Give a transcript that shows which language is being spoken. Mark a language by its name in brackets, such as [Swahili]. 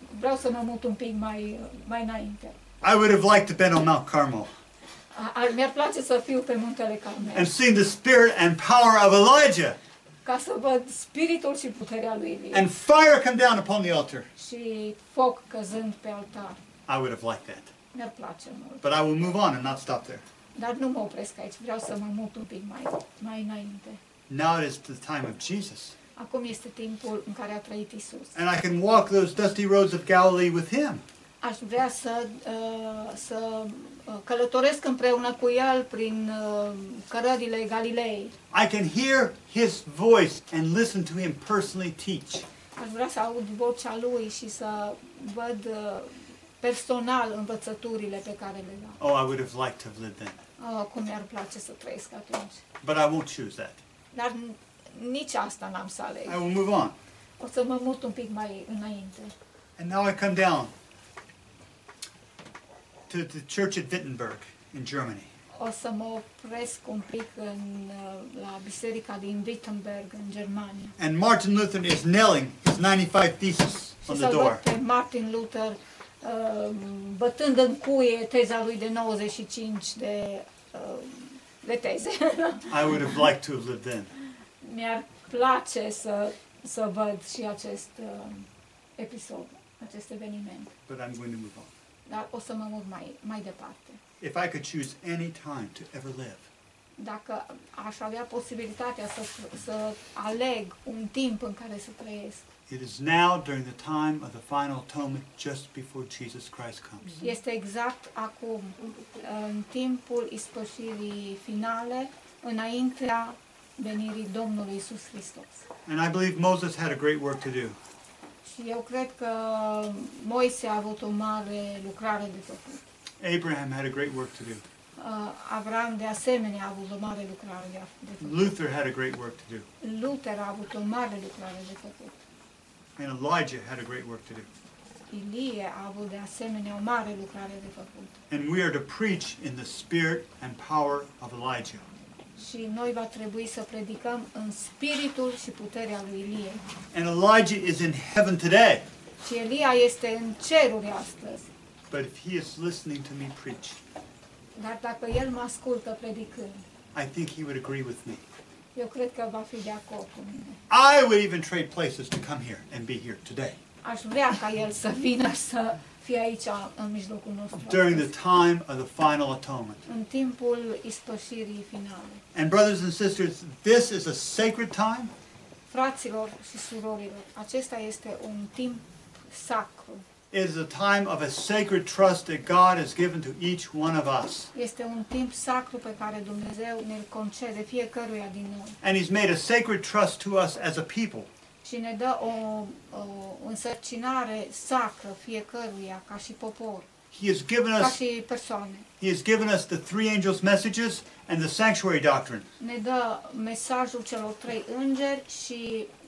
[Romanian] Vreau să mă mut un pic mai înainte. [English] I would have liked to have been on Mount Carmel. [Romanian] Mi-ar place să fiu pe Muntele Carmel. [English] And seen the spirit and power of Elijah. [Romanian] Ca să văd spiritul și puterea lui Elie. [English] And fire come down upon the altar. [Romanian] Și foc căzând pe altar. [English] I would have liked that. [Romanian] Mi-ar place mult. [English] But I will move on and not stop there. [Romanian] Dar nu mă opresc aici. Vreau să mă mut un pic mai înainte. [English] Now it is the time of Jesus. [Romanian] Acum este timpul în care a trăit Isus. [English] And I can walk those dusty roads of Galilee with him. [Romanian] Aș vrea să călătoresc împreună cu el prin cărările Galilei. [English] I can hear his voice and listen to him personally teach. [Romanian] Aș vrea să aud vocea lui și să văd personal învățăturile pe care le dă. [English] Oh, I would have liked to have lived then. [Romanian] Oh, cum mi-ar place să trăiesc atunci. [English] But I won't choose that. [Romanian] Dar nici asta n-am să aleg. [English] I will move on. [Romanian] O să mă mut un pic mai înainte. [English] And now I come down to the church at Wittenberg in Germany. [Romanian] O să mă opresc un pic la biserica din Wittenberg în Germania. [English] And Martin Luther is nailing his 95 theses on the door. [Romanian] Și să văd pe Martin Luther bătând în cuie teza lui de 95 de teze. [English] I would have liked to have lived then. [Romanian] Mi-ar place să văd și acest episod, acest eveniment. [English] But I'm going to move on. [Romanian] Dar o să mă mut mai departe. [English] If I could choose any time to ever live. [Romanian] Dacă aș avea posibilitatea să aleg un timp în care să trăiesc. [English] It is now during the time of the final atonement just before Jesus Christ comes. [Romanian] Este exact acum în timpul ispășirii finale înaintea venirii Domnului Isus Hristos. [English] And I believe Moses had a great work to do. [Romanian] Și eu cred că Moise a avut o mare lucrare de făcut. [English] Abraham had a great work to do. [Romanian] Avram de asemenea a avut o mare lucrare de făcut. [English] Luther had a great work to do. [Romanian] Luther a avut o mare lucrare de făcut. [English] And Elijah had a great work to do. [Romanian] Ilie a avut de asemenea o mare lucrare de făcut. [English] And we are to preach in the spirit and power of Elijah. [Romanian] Și noi va trebui să predicăm în spiritul și puterea lui Ilie. [English] And Elijah is in heaven today. [Romanian] Și Elia este în ceruri astăzi. [English] But if he is listening to me preach, [Romanian] dar dacă el mă ascultă predicând, [English] I think he would agree with me. [Romanian] Eu cred că va fi de acord cu mine. [English] I would even trade places to come here and be here today. [Romanian] Aș vrea ca el să vină să fie aici în mijlocul nostru. [English] During the time of the final atonement. [Romanian] În timpul ispășirii finale. [English] And brothers and sisters, this is a sacred time. [Romanian] Fraților și surorilor, acesta este un timp sacru. [English] It is a time of a sacred trust that God has given to each one of us. [Romanian] Este un timp sacru pe care Dumnezeu ne-l concede fiecăruia din noi. [English] And He's made a sacred trust to us as a people. [Romanian] Și ne dă o însărcinare sacră fiecăruia ca și popor. [English] He has given us, [Romanian] ca și persoane. [English] He has given us the three angels' messages and the sanctuary doctrine. [Romanian] Ne dă mesajul celor trei îngeri și